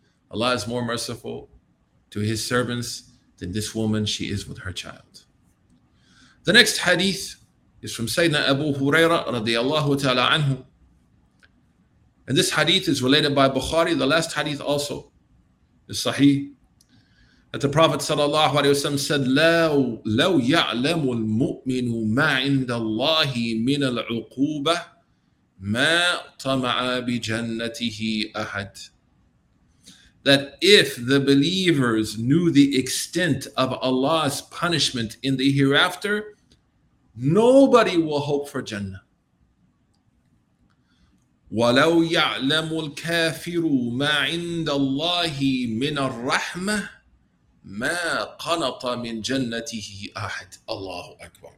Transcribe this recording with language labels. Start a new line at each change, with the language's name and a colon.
English: Allah is more merciful to his servants than this woman she is with her child. The next hadith is from Sayyidina Abu Hurairah radiallahu ta'ala anhu. And this hadith is related by Bukhari. The last hadith also is sahih. That the Prophet sallallahu alayhi wa sallam said,
Arabic: لَوْ يَعْلَمُ الْمُؤْمِنُ مَا عِنْدَ اللَّهِ مِنَ الْعُقُوبَةِ مَا طَمَعَ بِجَنَّتِهِ أَحَدٍ.
English: That if the believers knew the extent of Allah's punishment in the hereafter, nobody will hope for Jannah.
Arabic: وَلَوْ يَعْلَمُ الْكَافِرُ مَا عِنْدَ اللَّهِ مِنَ الرَّحْمَةِ مَا قَنَطَ مِنْ جَنَّتِهِ أَحَدٍ. Allahu Akbar.